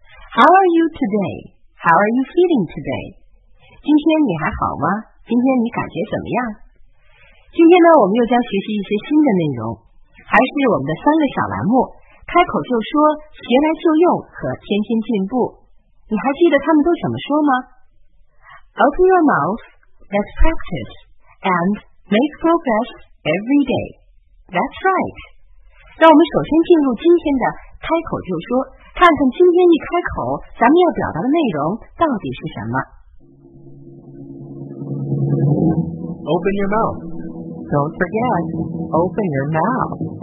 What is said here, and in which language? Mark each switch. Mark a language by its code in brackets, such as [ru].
[en] How are you today? How are you feeling today? [zh] 今天你还好吗？今天你感觉怎么样？今天呢，我们又将学习一些新的内容，还是我们的三个小栏目，开口就说、学来就用和天天进步。你还记得他们都怎么说吗？ [en] Open your mouth, let's practice, and make progress every day. That's right. [zh] 让我们首先进入今天的开口就说，看看今天一开口，咱们要表达的内容到底是什么。 [en] Open your mouth. Don't forget, open your mouth.